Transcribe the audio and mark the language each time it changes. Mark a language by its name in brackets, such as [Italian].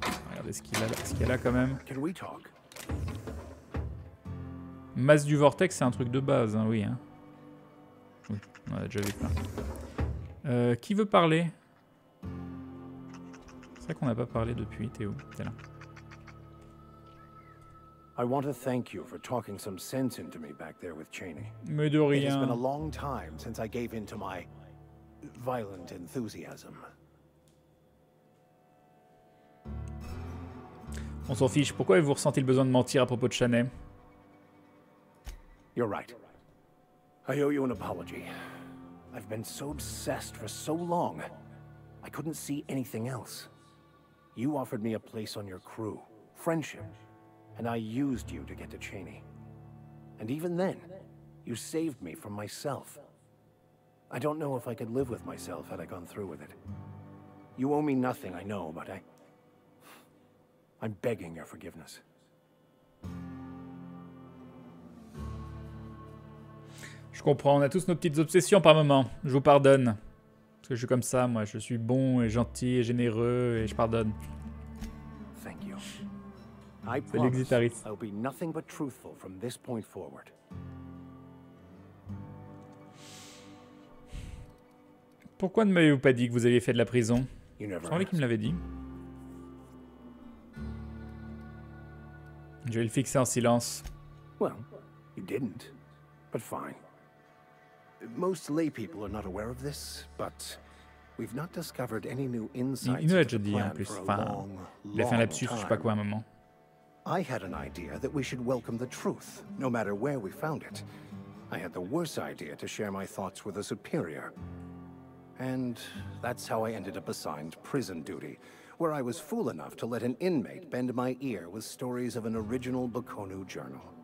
[French] Regardez ce qu'il a là, ce qu'il y a là quand même. [English] Can we talk? [French] Masse du vortex, c'est un truc de base, hein, oui. Hein. Oui, on a déjà vu plein. Qui veut parler? C'est vrai qu'on n'a pas parlé depuis, Théo. T'es là. [English] I want to thank you for talking some sense into me back there with Cheney. [French] Mais de rien. [English] It has been a long time since I gave in to my violent enthusiasm. [French] On s'en fiche. Pourquoi avez-vous ressenti le besoin de mentir à propos de Chaney? [English] You're right. I owe you an apology. I've been so obsessed for so long, I couldn't see anything else. You offered me a place on your crew. Friendship. And I used you to get to Cheney. And even then, you saved me from myself. I don't know if I could live with myself had I gone through with it. You owe me nothing, I know, but I... I'm begging your forgiveness. [French] Je comprends, on a tous nos petites obsessions par moment. Je vous pardonne. Parce que je suis comme ça, moi. Je suis bon et gentil et généreux et je pardonne. [English] I promise I'll be nothing but truthful from this point forward. [French] Pourquoi ne m'avez-vous pas dit que vous aviez fait de la prison? C'est lui qui me l'avait dit. Je vais le fixer en silence. [English] Well, you didn't, but fine. Most lay people are not aware of this, but we've not discovered any new insights. [French] Il nous l'a déjà dit en plus. Enfin, il a fait un lapsus, je sais pas quoi, à un moment. [English] I had an idea that we should welcome the truth, no matter where we found it. I had the worse idea to share my thoughts with a superior. And that's how I ended up assigned prison duty, where I was fool enough to let an inmate bend my ear with stories of an original Bokonu journal.